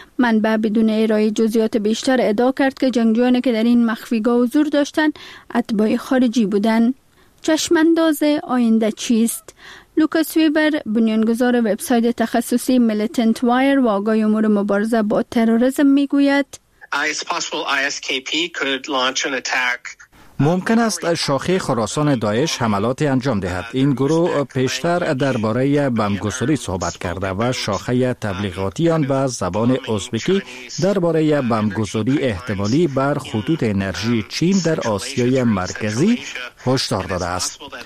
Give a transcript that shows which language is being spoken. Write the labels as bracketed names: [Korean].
[Persian] منبع بدون ارائه جزئیات بیشتر ادعا کرد که جنگجویانی که در این مخفیگاه حضور داشتند اتباعی خارجی بودند. چشم‌انداز آینده چیست؟ لوکاس ویبر، بنیانگذار وبسایت تخصصی ملیتنت وایر و آگاهی امور مبارزه با تروریسم میگوید: [English] It's possible ISKP could launch an attack. [Persian] ممکن است شاخه خراسان داعش حملات انجام دهد. این گروه پیشتر درباره بمگسلی صحبت کرده و شاخه تبلیغاتی آن به زبان ازبکی درباره بمگسلی احتمالی بر خطوط انرژی چین در آسیای مرکزی هشدار داده است.